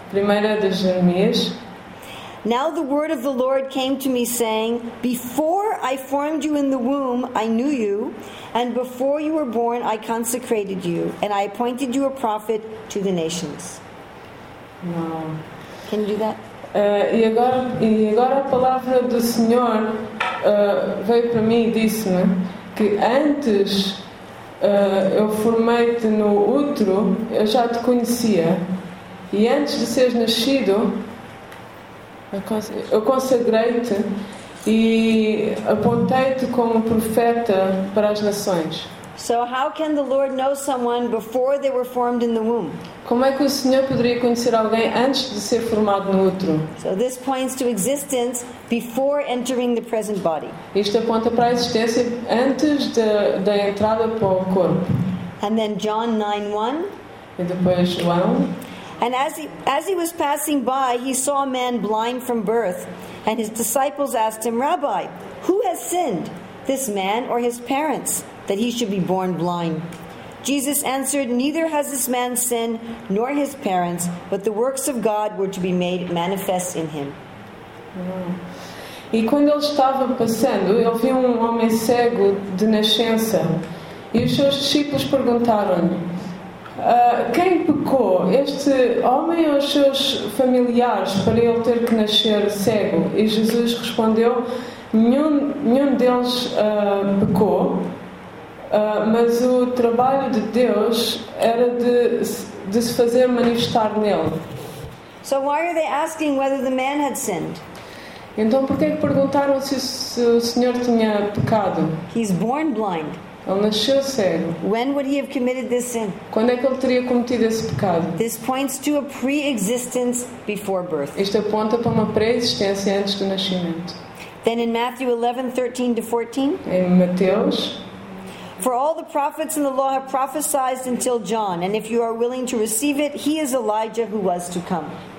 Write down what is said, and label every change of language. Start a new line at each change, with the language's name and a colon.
Portuguese: Primeira de Jeremias.
English: Now the word of the Lord came to me saying, before I formed you in the womb, I knew you, and before you were born, I consecrated you, and I appointed you a prophet to the nations. Wow. Can you do that?
Portuguese: E agora a palavra do Senhor veio para mim e disse-me que antes eu formei-te no útero, eu já te conhecia. E antes de seres nascido, eu consagrei-te e apontei-te como profeta para as nações.
English: So how can the Lord know someone before they were formed in the womb?
Portuguese: Como é que o Senhor poderia conhecer alguém antes de ser formado no útero?
English: So this points to existence before entering the present body.
Portuguese: Isto aponta para a existência antes da entrada para o corpo.
English: And then John 9:1.
Portuguese: E depois João.
English: And as he was passing by, he saw a man blind from birth, and his disciples asked him, "Rabbi, who has sinned, this man or his parents, that he should be born blind?" Jesus answered, "Neither has this man sinned nor his parents, but the works of God were to be made manifest in him."
Portuguese: E quando ele estava passando, ele viu um homem cego de nascença. E os seus discípulos perguntaram-lhe, quem pecou, este homem ou os seus familiares, para ele ter que nascer cego? E Jesus respondeu, nenhum deles pecou. Mas o trabalho de Deus era de se fazer manifestar nele.
English: So why are they asking whether the man had sinned?
Portuguese: Então porquê que perguntaram se o senhor tinha pecado?
English: He's born blind.
Portuguese: Ele nasceu cego.
English: When would he have committed this sin?
Portuguese: Quando é que ele teria cometido esse pecado?
English: This points to a pre-existence before birth.
Portuguese: Isto aponta para uma pré-existência antes do nascimento.
English: Then in Matthew 11:13-14.
Portuguese: Em Mateus.
English: For all the prophets in the law have prophesied until John, and if you are willing to receive it, he is Elijah who was to come.